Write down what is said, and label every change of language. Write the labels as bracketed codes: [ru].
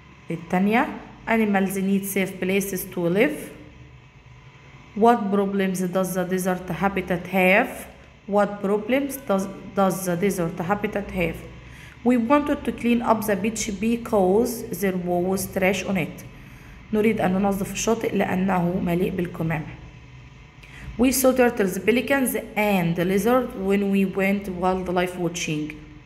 [en] التانية Animals need safe places to live. What problems does the desert habitat have? What problems does the desert habitat have? We wanted to clean up the beach because there was trash on it. [ar] نريد أن ننظف الشاطئ لأنه مليء بالكمام. [en] We saw turtles, pelicans and lizards when we went wildlife watching.